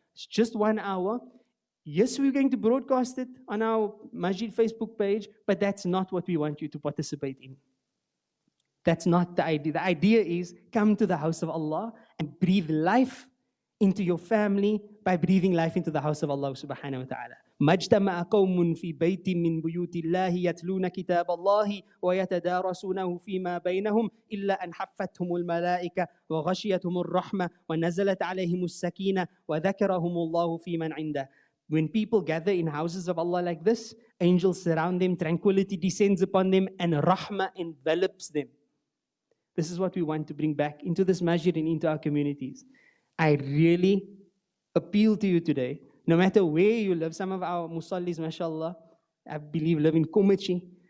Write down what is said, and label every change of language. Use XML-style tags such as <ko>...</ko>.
<en>It's just 1 hour. Yes, we're going to broadcast it on our Masjid Facebook page, but that's not what we want you to participate in. That's not the idea. The idea is come to the house of Allah and breathe life into your family by breathing life into the house of Allah subhanahu wa ta'ala.</en> <ar>مجتمع قوم في بيت من بيوت الله يتلون كتاب الله ويتدارسونه فيما بينهم إلا أن حفتهم الملائكة وغشيتهم الرحمة ونزلت عليهم السكينة وذكرهم الله في من عنده.</ar> <en>When people gather in houses of Allah like this, angels surround them, tranquility descends upon them, and rahmah envelops them. This is what we want to bring back into this masjid and into our communities. I really appeal to you today, no matter where you live, some of our musallis, mashallah, I believe live in Komechi.</en>